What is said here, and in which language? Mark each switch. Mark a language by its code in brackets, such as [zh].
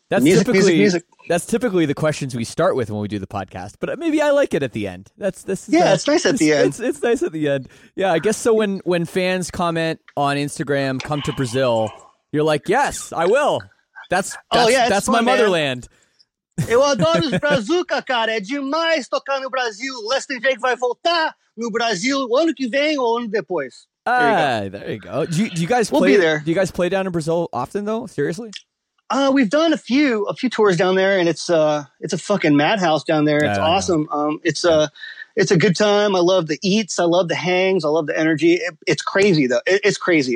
[en] That's music, typically, music, music. That's typically the questions we start with when we do the podcast, but maybe I like it at the end. It's nice at the end. Yeah, I guess so. When fans comment on Instagram, come to Brazil, you're like, yes, I will. That's fun, my motherland. Man. [pt] Eu adoro os Brazuca, cara. É demais tocar no Brasil. Lester Jake vai voltar no Brasil ano que vem ou ano depois. [en] There you go. Do you guys we'll play be there? Do you guys play down in Brazil often though? Seriously. We've done a few tours down there, and it's a fucking madhouse down there. It's awesome. It's a good time. I love the eats. I love the hangs. I love the energy. It's crazy though. It's crazy.